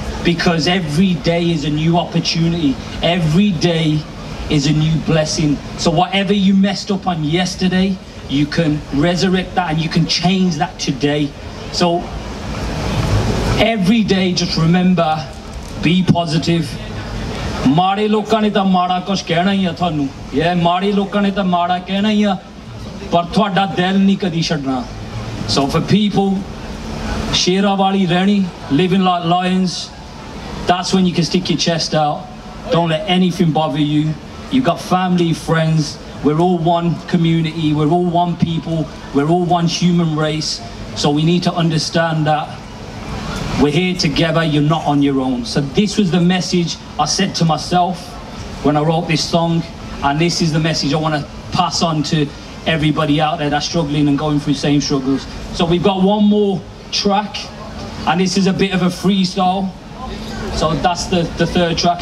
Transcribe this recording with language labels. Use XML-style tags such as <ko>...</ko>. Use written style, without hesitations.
<en>Because every day is a new opportunity. Every day is a new blessing. So whatever you messed up on yesterday, you can resurrect that and you can change that today. So every day, just remember, be positive.</en> <pa>ਮਾੜੇ ਲੋਕਾਂ ਨੇ ਤਾਂ ਮਾੜਾ ਕੁਛ ਕਹਿਣਾ ਹੀ ਆ ਤੁਹਾਨੂੰ, ਯਾ ਮਾੜੇ ਲੋਕਾਂ ਨੇ ਤਾਂ ਮਾੜਾ ਕਹਿਣਾ ਹੀ ਆ, ਪਰ ਤੁਹਾਡਾ ਦਿਲ ਨਹੀਂ ਕਦੀ ਛੱਡਣਾ.</pa> <en>so for people</en> <pa>ਸ਼ੇਰਾ ਵਾਲੀ ਰਹਿਣੀ,</pa> <en>Living like lions, that's when you can stick your chest out, don't let anything bother you, you got family friends, we're all one community, we're all one people, we're all one human race, so we need to understand that we're here together, you're not on your own. So this was the message I said to myself when I wrote this song, and this is the message I want to pass on to everybody out there that's struggling and going through the same struggles. So we've got one more track, and this is a bit of a freestyle, so that's the third track.</en>